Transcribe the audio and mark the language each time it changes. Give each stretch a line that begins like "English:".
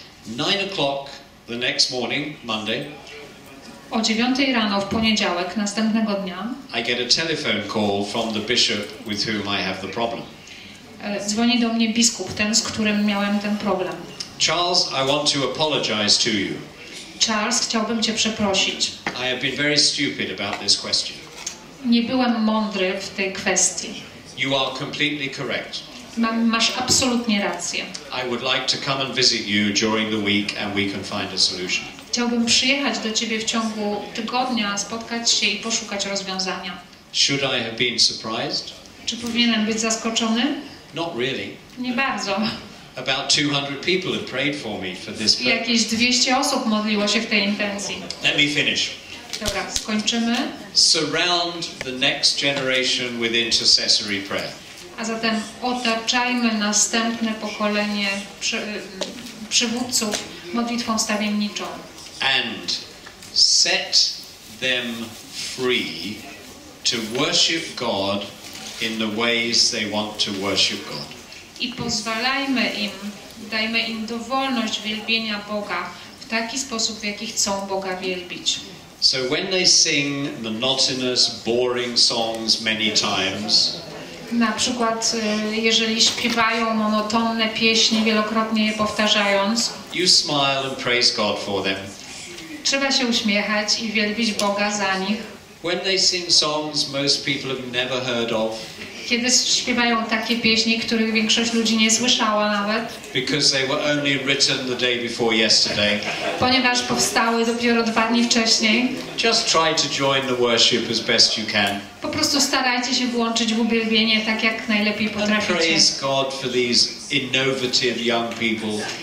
English: 9 o'clock the next morning, Monday.
Polish: O 9 rano w poniedziałek następnego dnia.
English: I get a telephone call from the bishop with whom I have the problem.
Polish: Dzwoni do mnie biskup, ten z którym miałem ten problem.
English: Charles, I want to apologize to you.
Polish: Charles, chciałbym cię przeprosić.
English: I have been very stupid about this question.
Polish: Nie byłem mądry w tej kwestii.
English: You are completely correct.
Polish: Masz absolutnie rację.
English: I would like to come and visit you during the week and we can find a solution.
Polish: Chciałbym przyjechać do ciebie w ciągu tygodnia, spotkać się i poszukać rozwiązania.
English: Should I have been surprised?
Polish: Czy powinienem być zaskoczony?
English: Not really.
Polish: Nie bardzo.
English: About 200 people had prayed for me for this purpose.
Polish: Jakieś 200 osób modliło się w tej intencji.
English: Let me finish.
Polish: Dobra, skończymy.
English: Surround the next generation with intercessory prayer.
Polish: A zatem otaczajmy następne pokolenie przywódców modlitwą stawienniczą.
English: And set them free to worship God in the ways they want to worship God.
Polish: I pozwalajmy im, dajmy im dowolność wielbienia Boga w taki sposób, w jaki chcą Boga wielbić.
English: So when they sing monotonous, boring songs many times.
Polish: Na przykład, jeżeli śpiewają monotonne pieśni, wielokrotnie je powtarzając.
English: You smile and praise God for them.
Polish: Trzeba się uśmiechać i wielbić Boga za nich.
English: When they sing songs most people have never heard of.
Polish: Kiedy śpiewają takie pieśni, których większość ludzi nie słyszała nawet.
English: Because they were only written the day before yesterday.
Polish: Ponieważ powstały dopiero dwa dni wcześniej.
English: Just try to join the worship as best you can.
Polish: Po prostu starajcie się włączyć w uwielbienie tak, jak najlepiej potraficie.
English: And praise God for these innovative young people.